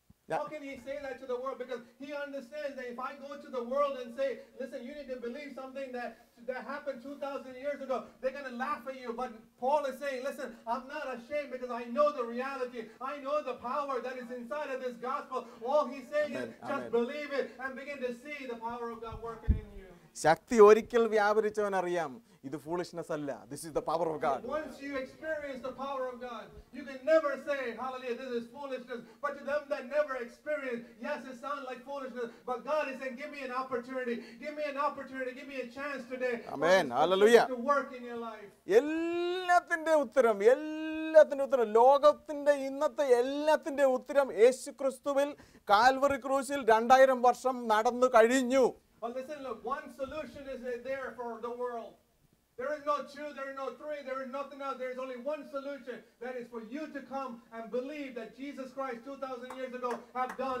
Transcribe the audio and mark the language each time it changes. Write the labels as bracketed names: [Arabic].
[English] How can he say that to the world? Because he understands that if I go to the world and say, listen, you need to believe something that happened 2,000 years ago, they're going to laugh at you. But Paul is saying, listen, I'm not ashamed because I know the reality. I know the power that is inside of this gospel. All he's saying Amen. Is just Amen. Believe it and begin to see the power of God working in you. [Malayalam] ശക്തി ഒരിക്കൽ വ്യാപരിച്ചവൻ അറിയാം ഇത് [English] foolishness [Malayalam] അല്ല [English] this is the power of God once you experience the power of God you can never say hallelujah this is foolishness but to them that never experience yes it sound like foolishness but God is saying give me an opportunity give me an opportunity give me a chance today amen hallelujah to work in your life [Malayalam] എല്ലാത്തിന്റെ ഉത്തരം എല്ലാത്തിന്റെ ഉത്തരം ലോകത്തിന്റെ ഇന്നത്തെ എല്ലാത്തിന്റെ ഉത്തരം യേശുക്രിസ്തുവിൽ Calvary ക്രൂശിൽ 2,000 വർഷം നടന്നു കഴിഞ്ഞു. [English] But listen, look, one solution is there for the world. There is no two, there is no three, there is nothing else. There is only one solution. That is for you to come and believe that Jesus Christ 2,000 years ago have done